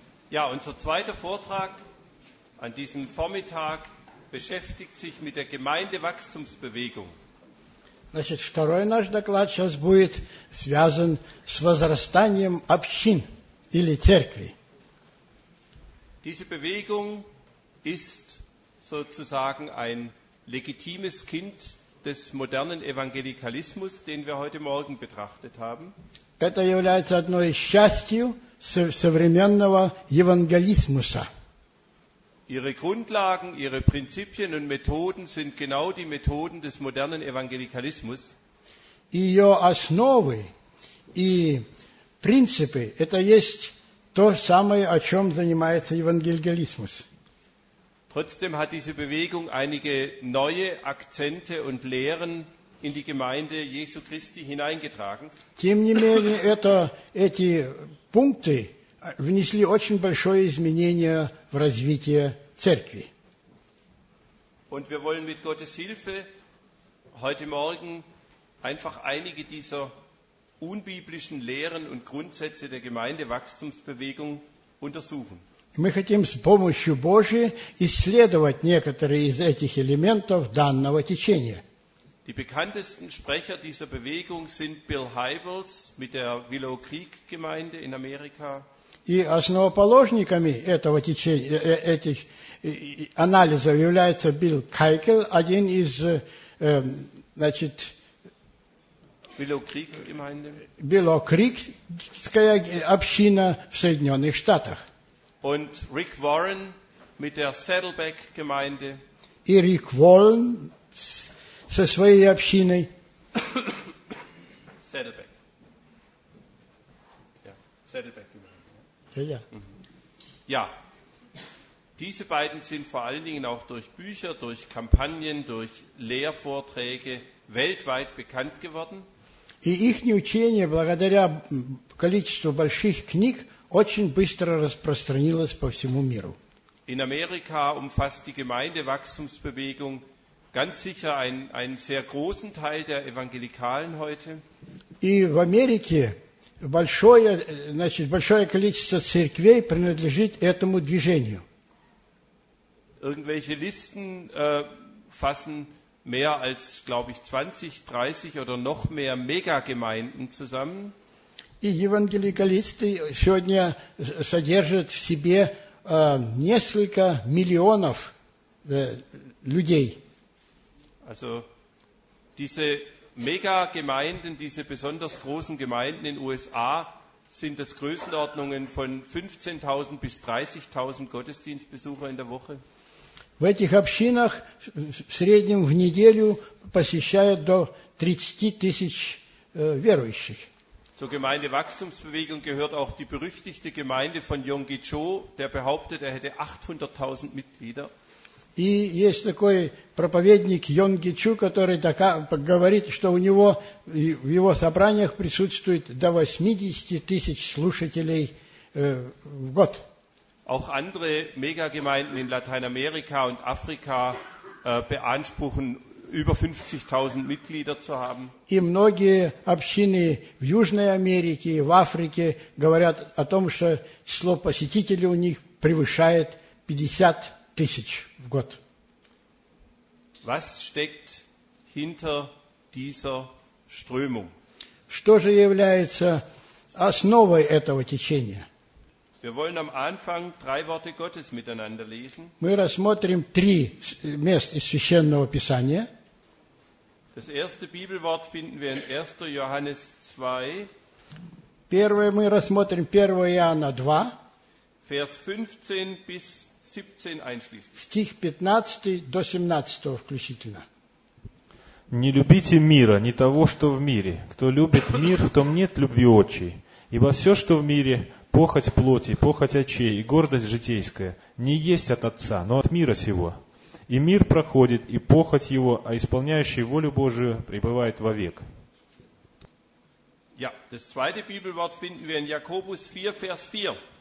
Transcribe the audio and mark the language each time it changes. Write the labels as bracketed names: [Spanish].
[German] Ja, unser zweiter Vortrag an diesem Vormittag beschäftigt sich mit der Gemeindewachstumsbewegung. [Russian] Значит, второй наш доклад сейчас будет связан с возрастанием общин или церкви. [German] Diese Bewegung ist sozusagen ein legitimes Kind des modernen Evangelikalismus, den wir heute Morgen betrachtet haben. [Russian] Это является одной из частей современного евангелисмуса. [German] Ihre Grundlagen, ihre Prinzipien und Methoden sind genau die Methoden des modernen Evangelikalismus. [Russian] Ее основы и принципы – это есть то самое, о чем занимается евангелиализмус. [German] Trotzdem hat diese Bewegung einige neue Akzente und Lehren in die Gemeinde Jesu Christi hineingetragen. [Russian] Тем не менее, эти пункты внесли очень большое изменение в развитие церкви. [German] Und wir wollen mit Gottes Hilfe heute Morgen einfach einige dieser unbiblischen Lehren und Grundsätze der Gemeindewachstumsbewegung untersuchen. [Russian] Мы хотим с помощью Божьей исследовать некоторые из этих элементов данного течения. [German] Die bekanntesten Sprecher dieser Bewegung sind Bill Hybels mit der Willow Creek Gemeinde in Amerika. [Russian] И основоположниками этого течения, этих анализов является Билл Кайкл, один из, значит, [German] Willow Creek Gemeinde. [Russian] Willow Creekская община в Соединенных Штатах. [German] Und Rick Warren mit der Saddleback Gemeinde. [Russian] И Рик Уоррен со своей общиной. [German] Saddleback. [Russian] Saddleback. [German] Ja. Ja. Diese beiden sind vor allen Dingen auch durch Bücher, durch Kampagnen, durch Lehrvorträge weltweit bekannt geworden. [Russian] И их учение, благодаря количеству больших книг, очень быстро распространилось по всему миру. [German] In Amerika umfasst die Gemeindewachstumsbewegung ganz sicher einen sehr großen Teil der Evangelikalen heute. [Russian] И в Америке большое, значит, большое количество церквей принадлежит этому движению. [German] Irgendwelche Listen fassen mehr als, glaube ich, 20, 30 oder noch mehr Megagemeinden zusammen. [Russian] И евангеликалисты сегодня содержат в себе несколько миллионов людей. [German] Also, diese Megagemeinden, diese besonders großen Gemeinden in USA, sind das Größenordnungen von 15.000 bis 30.000 Gottesdienstbesucher in der Woche. [Russian] В этих общинах в среднем в неделю посещают до 30 тысяч верующих. [German] Zur Gemeindewachstumsbewegung gehört auch die berüchtigte Gemeinde von Yonggi Cho, der behauptet, er hätte 800.000 Mitglieder. [Russian] И есть такой проповедник Йонги Чу, который говорит, что у него в его собраниях присутствует до 80 тысяч слушателей в год. [German] Auch andere Megagemeinden in Lateinamerika und Afrika beanspruchen über 50.000 Mitglieder zu haben. [Russian] И многие общины в Южной Америке, в Африке говорят о том, что число посетителей у них превышает 50 тысяч в год. [German] Was steckt hinter dieser Strömung? [Russian] Что же является основой этого течения? [German] Wir wollen am Anfang drei Worte Gottes miteinander lesen. [Russian] Мы рассмотрим три места из Священного Писания. [German] Das erste Bibelwort finden wir in 1. Johannes 2. [Russian] Первое мы рассмотрим 1. Иоанна 2. [German] Vers 15 bis 17 einschließlich. [Russian] Стих 15 до 17 включительно. Не любите мира, ни того, что в мире. Кто любит мир, в том нет любви отчей. Ибо все, что в мире, похоть плоти, похоть очей и гордость житейская, не есть от Отца, но от мира сего. И мир проходит, и похоть его, а исполняющий волю Божию пребывает вовек. [German] Ja, das zweite Bibelwort finden wir in Jakobus 4, Vers 4.